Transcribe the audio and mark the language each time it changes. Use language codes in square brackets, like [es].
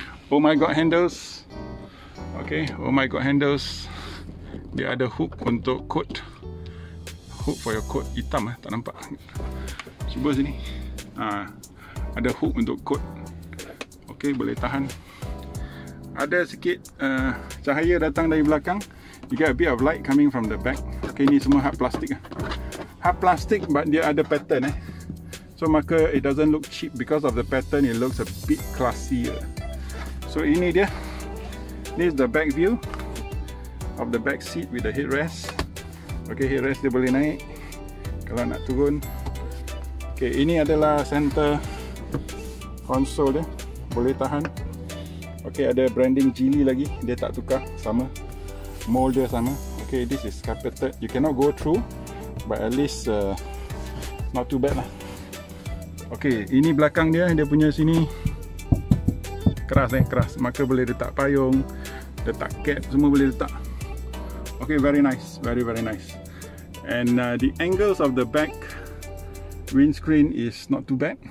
[en] Oh My God handles. Okay, Oh My God handles. [ms] Dia ada hook untuk coat. [en] Hook for your coat. [ms] Hitam . Tak nampak. Cuba sini. Ada hook untuk coat. Okay, boleh tahan. Ada sikit cahaya datang dari belakang. [en] You get a bit of light coming from the back. Okay, [ms] ni semua hard plastik . [en] Hard plastik but [ms] dia ada [en] pattern . So maka it doesn't look cheap because of the pattern, it looks a bit classier. So [ms] ini dia. [en] This is the back view of the back seat with the headrest. [ms] Okay, headrest dia boleh naik kalau nak turun. Okay, ini adalah center console dia. Boleh tahan. Okay, ada branding Geely lagi. Dia tak tukar, sama mold dia sama. [en] Okay, this is carpeted. You cannot go through, but at least not too bad lah. [ms] Okay, ini belakang dia. Dia punya sini keras eh, keras. Maka boleh letak payung, letak cap, semua boleh letak. [en] Okay, very nice, very very nice. And the angles of the back windscreen is not too bad.